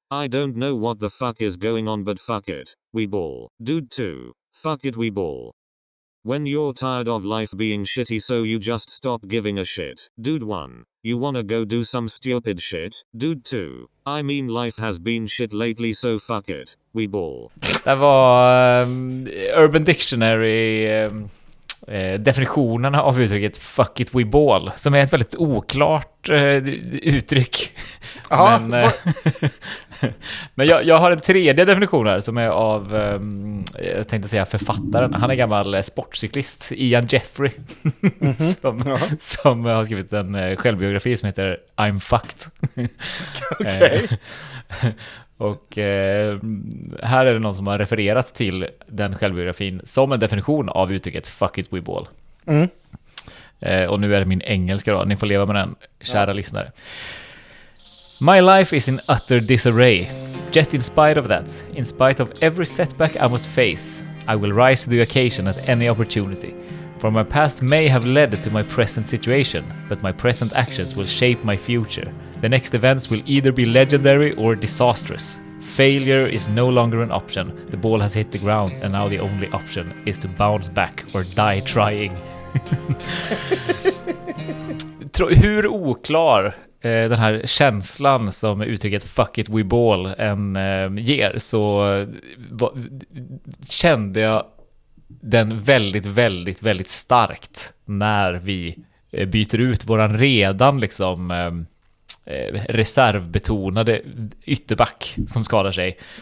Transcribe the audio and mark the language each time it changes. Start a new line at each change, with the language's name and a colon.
English: I don't know what the fuck is going on but fuck it, we ball. Dude 2. Fuck it, we ball. When you're tired of life being shitty so you just stop giving a shit. Dude 1. You wanna go do some stupid shit? Dude 2. I mean life has been shit lately so fuck it, we ball.
Swedish: Det var Urban Dictionary definitionen av uttrycket
English: fuck it, we ball,
Swedish: som är ett väldigt oklart uttryck. Aha, men men jag har en tredje definition här som är av jag tänkte säga författaren. Han är gammal sportcyklist, Ian Jeffrey. Mm-hmm. som har skrivit en självbiografi som heter I'm fucked. Okej. Och här är det någon som har refererat till den självbiografin som en definition av uttrycket
English: fuck it, we ball.
Swedish: Mm. Och nu är det min engelska då. Ni får leva med den, kära lyssnare.
English: My life is in utter disarray. Yet in spite of that, in spite of every setback I must face, I will rise to the occasion at any opportunity. For my past may have led to my present situation, but my present actions will shape my future. The next events will either be legendary or disastrous. Failure is no longer an option. The ball has hit the ground and now the only option is to bounce back or die trying.
Swedish: Hur oklar den här känslan som uttrycket
English: fuck it, we ball
Swedish: en ger, så kände jag den väldigt, väldigt, väldigt starkt när vi byter ut våran redan liksom reservbetonade ytterback som skadar sig.